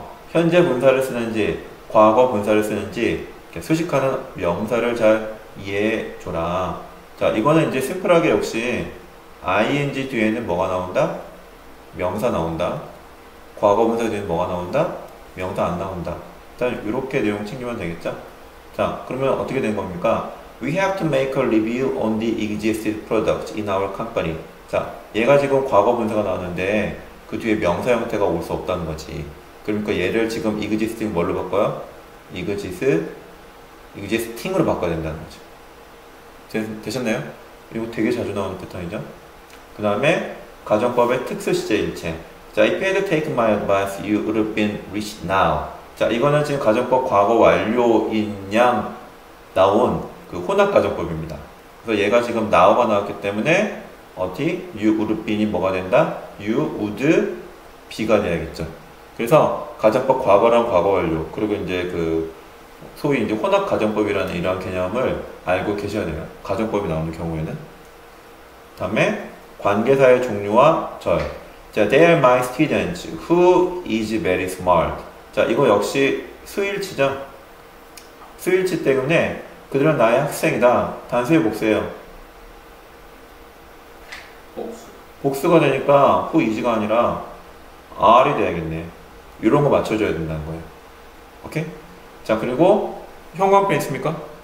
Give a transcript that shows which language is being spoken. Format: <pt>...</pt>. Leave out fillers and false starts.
<ko>현재 분사를 쓰는지 과거 분사를 쓰는지 이렇게 수식하는 명사를 잘 이해해줘라. 자, 이거는 이제 심플하게 역시 ing 뒤에는 뭐가 나온다? 명사 나온다. 과거분사 뒤에는 뭐가 나온다? 명사 안 나온다. 일단 이렇게 내용 챙기면 되겠죠? 자, 그러면 어떻게 된 겁니까?</ko> <en>We have to make a review on the existing product in our company.</en> <ko>자, 얘가 지금 과거분사가 나왔는데 그 뒤에 명사 형태가 올 수 없다는 거지. 그러니까 얘를 지금 existing 뭘로 바꿔요? existing으로 바꿔야 된다는 거죠. 되셨나요? 이거 되게 자주 나오는 패턴이죠. 그 다음에 가정법의 특수시제 일체.</ko> <en>자, if you had taken my advice, you would have been rich now.</en> <ko>자, 이거는 지금 가정법 과거 완료인 양 나온 그 혼합 가정법입니다. 그래서 얘가 지금 now가 나왔기 때문에 어디</ko> <en>you would have been</en> <ko>이 뭐가 된다?</ko> <en>you would be가</en> <ko>돼야겠죠. 그래서 가정법 과거랑 과거 완료, 그리고 이제 그 소위 이제 혼합 가정법이라는 이런 개념을 알고 계셔야 돼요. 가정법이 나오는 경우에는. 다음에 관계사의 종류와 절.</ko> <en>자, they are my students who is very smart.</en> <ko>자, 이거 역시 수일치죠. 수일치 때문에 그들은 나의 학생이다. 단수의 복수예요. 복수가 되니까</ko> <en>who is</en> <ko>가 아니라 are이 돼야겠네. 이런 거 맞춰줘야 된다는 거예요. 오케이? 자, 그리고 형광펜 있습니까?</ko>